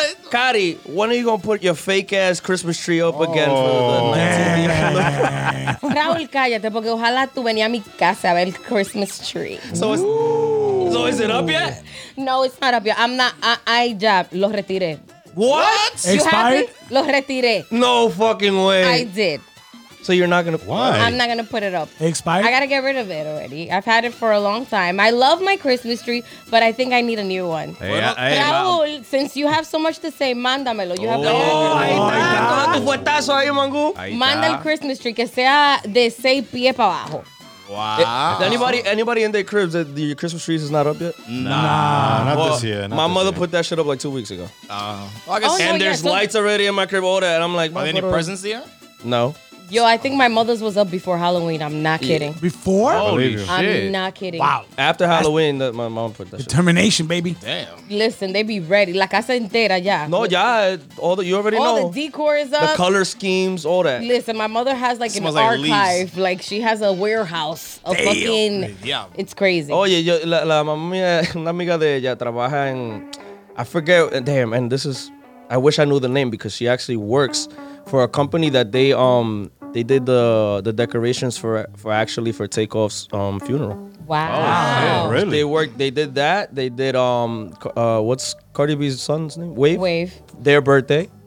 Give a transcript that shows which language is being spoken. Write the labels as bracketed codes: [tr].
[en] Cari, when are you going to put your fake ass Christmas tree up again for the 19th? [es] Raúl, cállate, porque ojalá tú venía a mi casa a ver el Christmas tree. [en] So is it up yet? No, it's not up yet. I'm not, I [es] ya lo retiré. [en] What? Expired? [es] Lo retiré. [en] No fucking way. I did. So you're not going to... Why? I'm not going to put it up. Expired? I got to get rid of it already. I've had it for a long time. I love my Christmas tree, but I think I need a new one. Raúl, since you have so much to say, [es] mándamelo. [en] You have [es] tu fuertazo ahí, Mangú. Manda el Christmas tree que sea de 6 pies para abajo. [en] Wow. Anybody in their cribs, the Christmas trees is not up yet? Nah, not this year. My mother put that shit up like 2 weeks ago. Oh, and there's lights already in my crib, all that. And I'm like, are there any presents there? No. Yo, I think my mother's was up before Halloween. I'm not kidding. Yeah. Before? Holy shit. I'm not kidding. Wow. After Halloween, my mom put that determination, shit. Baby. Damn. Listen, they be ready. [es] La casa entera, ya. [en] No, ya. You already know. All the decor is up. The color schemes, all that. Listen, my mother has like an archive. Like she has a warehouse. Fucking. Yeah. It's crazy. [es] Oye, yo, la mamá mía, una amiga de ella, trabaja en... [en] I forget. Damn, and this is... I wish I knew the name because she actually works for a company that they did the decorations for Takeoff's funeral. Wow. Yeah, really? They did that. They did what's Cardi B's son's name? Wave. Their birthday.